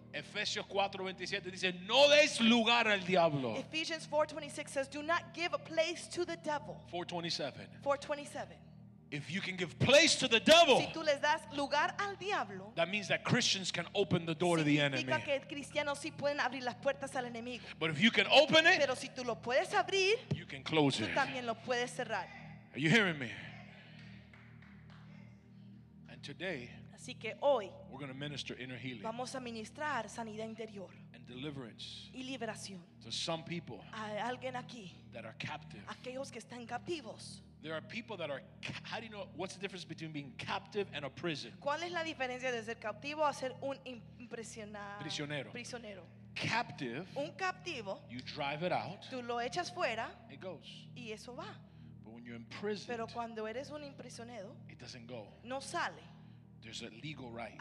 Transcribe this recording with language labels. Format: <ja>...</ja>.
<es>Efesios 4:27 dice, no des lugar al diablo.</es> <en>Ephesians 4:26 says, do not give a place to the devil. 4:27. If you can give place to the devil,</en> <es>si tú les das lugar al diablo,</es> <en>that means that Christians can open the door to the enemy.</en> <es>Significa que cristianos sí pueden abrir las puertas al enemigo.</es> <en>But if you can open it,</en> <es>pero si tú lo puedes abrir,</es> <en>you can close</en> <es>tú</es> <en>it.</en> <es>También lo puedes cerrar.</es> <en>Are you hearing me? And today,</en> <es>así que hoy,</es> <en>we're going to minister inner healing.</en> <es>Vamos a ministrar sanidad interior.</es> <en>And deliverance.</en> <es>Y liberación.</es> <en>To some people.</en> <es>A alguien aquí.</es> <en>That are captive.</en> <es>Aquellos que están cautivos.</es> <en>There are people that are. How do you know? What's the difference between being captive and a prison?</en> <es>¿Cuál es la diferencia de ser cautivo a ser un prisionero? Prisionero.</es> <en>Captive.</en> <es>Un cautivo.</es> <en>You drive it out.</en> <es>Tú lo echas fuera.</es> <en>It goes.</en> <es>Y eso va.</es> <en>But when you're imprisoned.</en> <es>Pero cuando eres un prisionero.</es> <en>It doesn't go.</en> <es>No sale.</es> <en>There's a legal right.</en>